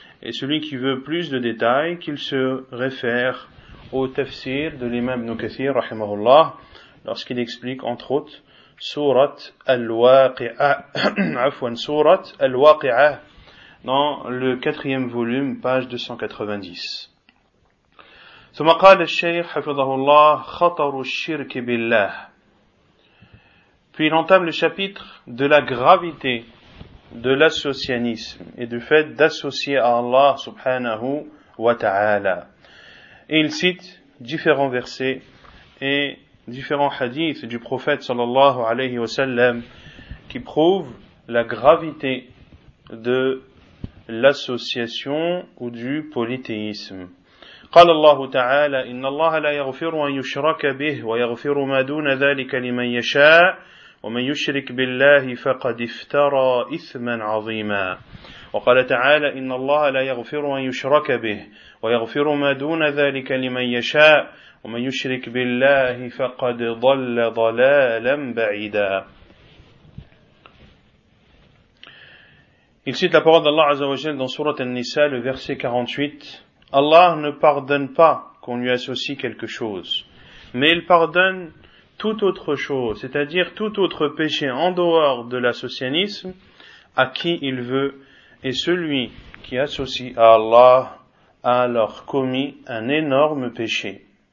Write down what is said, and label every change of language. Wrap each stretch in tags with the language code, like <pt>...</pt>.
<fr>Et celui qui veut plus de détails, qu'il se réfère au tafsir de l'imam Ibn Kathir rahimahullah, lorsqu'il explique entre autres sourate Al-Waqi'ah, afwan sourate Al-Waqi'ah, dans le quatrième volume, page 290.</fr> <ar>ثم قال الشيخ حفظه الله خطر الشرك بالله.</ar> <fr>Puis il entame le chapitre de la gravité de l'associanisme et du fait d'associer à Allah subhanahu wa ta'ala. Et il cite différents versets et différents hadiths du prophète sallallahu alayhi wa sallam qui prouvent la gravité de l'association ou du polythéisme.</fr> <ar>قال الله تعالى إن الله لا يغفر أن يشرك به ويغفر ما دون ذلك لمن يشاء ومن يشرك بالله فقد افترى إثما عظيما وقال تعالى إن الله لا يغفر أن يشرك به ويغفر ما دون ذلك لمن يشاء ومن يشرك بالله فقد ضل ضلالا بعيدا.</ar> <fr>Il cite la parole d'Allah عز وجل dans sourate An-Nisa, le verset 48. Allah ne pardonne pas qu'on lui associe quelque chose, mais il pardonne toute autre chose, c'est-à-dire tout autre péché en dehors de l'associanisme à qui il veut, et celui qui associe à Allah a alors commis un énorme péché.</fr>